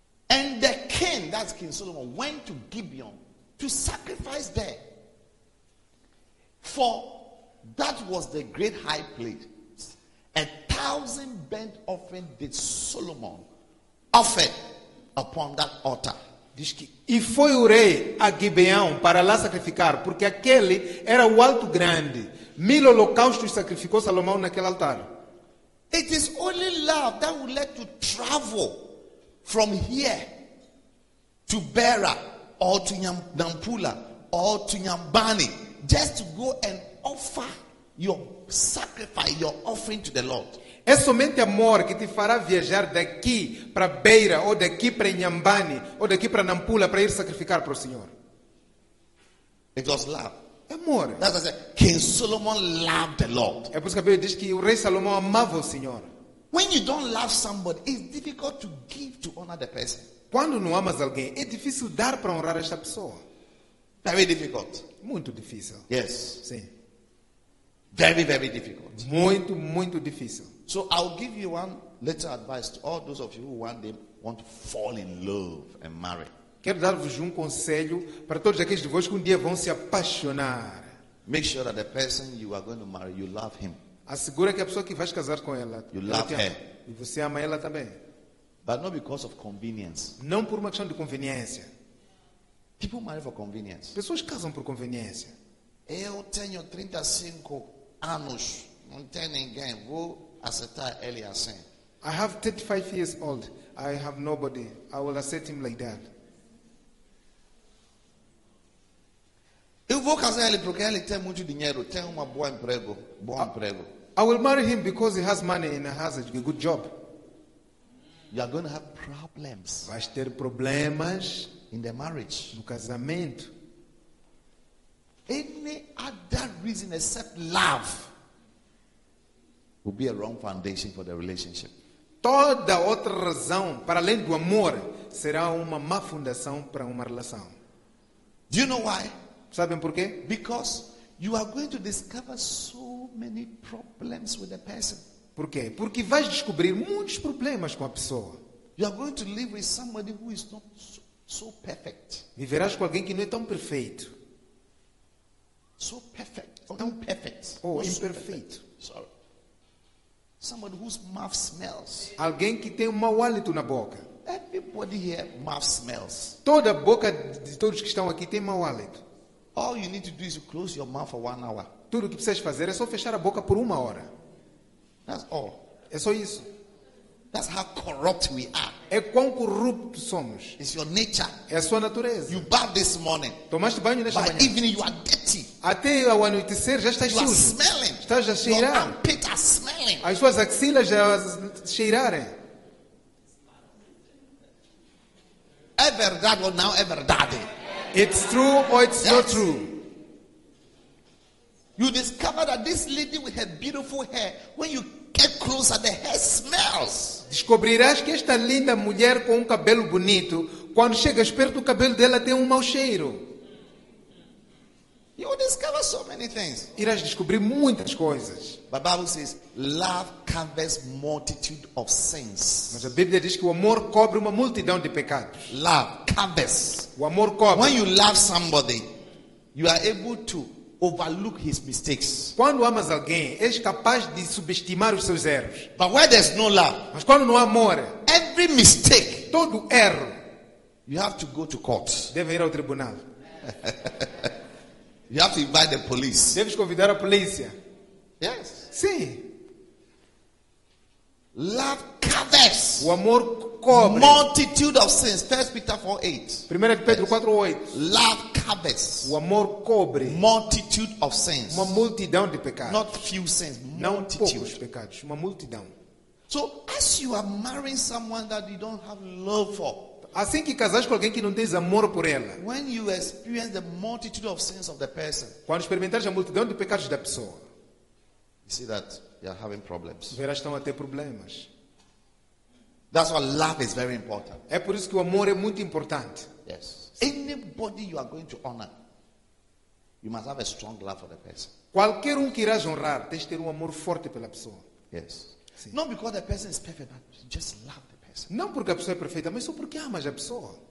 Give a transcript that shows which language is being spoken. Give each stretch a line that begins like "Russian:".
English: And the king, that's King Solomon, went to Gibeon to sacrifice there. For that was the great high place. A 1,000 burnt offerings did Solomon offer upon that altar.
Portuguese: Diz que, e foi o rei a Gibeão para lá sacrificar, porque aquele era o alto grande. 1,000 holocaustos sacrificou Salomão naquele altar.
English: It is only love that will let you travel from here to Bera or to Nampula or to Nyambani just to go and offer your sacrifice, your offering to the Lord.
Portuguese: É somente amor que te fará viajar daqui para Beira, ou daqui para Nyambani, ou daqui para Nampula, para ir sacrificar para o Senhor.
English: It was love.
Portuguese: Amor.
English: That's what I said. King Solomon loved the Lord.
Portuguese: É por isso que a Bíblia diz que o rei Salomão amava o Senhor.
English: When you don't love somebody, it's difficult to give to honor the person.
Portuguese: Quando não amas alguém, é difícil dar para honrar esta pessoa.
English: Very difficult.
Portuguese: Muito difícil.
English: Yes.
Portuguese: Sim.
English: Very, very difficult.
Portuguese: Muito, muito difícil.
English: So I'll give you one little advice to all those of you who one day want to fall in love and marry.
Portuguese: Quero dar-vos um conselho para todos aqueles de vós que um dia vão se apaixonar.
English: Make sure that the person you are going to marry, you love him.
Portuguese: Assegura que a pessoa que vais casar com ela,
English: you love her.
Portuguese: E você ama ela também.
English: But not because of convenience.
Portuguese: Não por uma questão de conveniência.
English: People marry for convenience.
Portuguese: Pessoas casam por conveniência. Eu tenho 35 anos, não tenho ninguém, vou aceitar ele assim.
English: I have 35 years old, I have nobody, I will accept him like that.
Portuguese: Eu vou casar ele porque ele tem muito dinheiro, tem uma boa emprego, bom emprego.
English: I will marry him because he has money and has a good job. You are going to have problems.
Portuguese: Vai ter problemas
English: in the marriage.
Portuguese: No casamento.
English: Any other reason except love would be a wrong foundation for the relationship.
Portuguese: Toda outra razão, para além do amor, será uma má fundação para uma relação.
English: Do you know why?
Portuguese: Sabem por quê?
English: Because you are going to discover so many problems with the person.
Portuguese: Por quê? Porque vais descobrir muitos problemas com a pessoa.
English: You are going to live with somebody who is not so perfect.
Portuguese: Viverás com alguém que não é tão perfeito.
English: So perfect,
Portuguese: tão
English: perfect. Oh, not
Portuguese: imperfeito.
English: So perfect. Sorry. Somebody whose mouth smells.
Portuguese: Alguém que tem um mau hálito na boca.
English: Everybody here mouth smells.
Portuguese: Toda boca de todos que estão aqui tem mau hálito.
English: All you need to do is close your mouth for 1 hour.
Portuguese: Tudo o que precisas fazer é só fechar a boca por 1 hora.
English: That's all.
Portuguese: É só isso.
English: That's how corrupt we are.
Portuguese: É quão corruptos somos.
English: It's your nature.
Portuguese: É a sua natureza.
English: You bathed this morning.
Portuguese: Tomaste banho nesta manhã.
English: By evening you are dirty.
Portuguese: Até ao anoitecer já estás sujo.
English: You are smelling.
Portuguese: Estás a cheirar.
English: Your armpit are smelling.
Portuguese: As suas axilas já cheirarem. É verdade ou não é verdade?
English: It's true or it's not true? You discover that this lady with her beautiful hair, when you get closer, the hair smells.
Portuguese: Descobrirás que esta linda mulher com um cabelo bonito, quando chegas perto do cabelo dela, tem um mau cheiro.
English: You will discover so many things.
Portuguese: Irás descobrir muitas coisas.
English: But the Bible says, love covers multitude of sins.
Portuguese: Mas a Bíblia diz que o amor cobre uma multidão de pecados.
English: Love covers.
Portuguese: O amor cobre.
English: When you love somebody, you are able to overlook his mistakes.
Portuguese: Quando amas alguém, és capaz de subestimar os seus erros.
English: But where there's no love,
Portuguese: mas quando não há amor,
English: every mistake,
Portuguese: todo erro,
English: you have to go to court.
Portuguese: Deve ir ao tribunal.
English: You have to invite the police.
Portuguese: Deves convidar a polícia.
English: Yes.
Portuguese: Sim.
English: Love covers.
Portuguese: O amor cobre.
English: Multitude of sins. 1 Peter 4:8.
Portuguese: 1 Pedro 4:8.
English: Love covers.
Portuguese: O amor cobre.
English: Multitude of sins.
Portuguese: Uma multidão de pecados.
English: Not few sins. Multitude.
Portuguese: Não poucos pecados. Uma multidão.
English: So as you are marrying someone that you don't have love for.
Portuguese: Assim que casas com alguém que não tens amor por ela.
English: When you experience the multitude of sins of the person.
Portuguese: Quando experimentares a multidão de pecados da pessoa.
English: You see that you are having problems.
Portuguese: Verás que estão a ter problemas.
English: That's why love is very important.
Portuguese: É por isso que o amor é muito importante.
English: Yes. Anybody you are going to honor, you must have a strong love for the person.
Portuguese: Qualquer um que irás honrar, tens de ter um amor forte pela pessoa.
English: Yes.
Portuguese: Sim.
English: Not because the person is perfect, but just love.
Portuguese: Não porque a pessoa é perfeita, mas só porque amas a pessoa.